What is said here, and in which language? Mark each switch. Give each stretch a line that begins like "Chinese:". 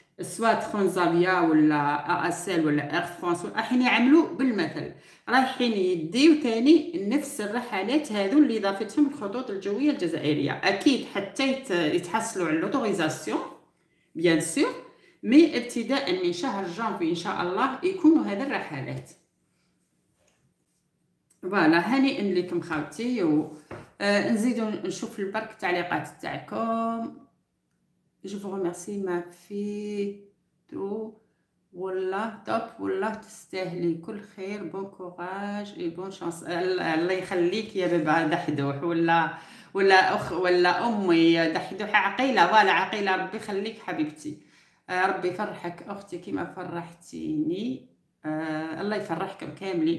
Arabic: سواء ترانزافيا ولا اسل ولا اير فرانس، راحين يعملوا بالمثل، رايحين يديو تاني نفس الرحلات هذو اللي ضافتهم الخطوط الجويه الجزائريه، اكيد حتى يتحصلوا على لوتوريزاسيون بيان سور، مي ابتداء من شهر جانفي ان شاء الله يكونوا هذه الرحلات. فوالا، هاني انليكم خاوتي، ونزيدو نشوف البرك تعليقات تاعكم.
French: Je vous remercie ma fille.
Arabic: والله توب، والله تستاهلي كل خير،
French: بون كوراج اي بون شانس.
Arabic: الله يخليك يا بابا دحدوح، ولا اخ ولا امي دحدوح، عقيله ولا عقيله، ربي يخليك حبيبتي، ربي يفرحك اختي كيما فرحتيني، الله يفرحكم كاملي.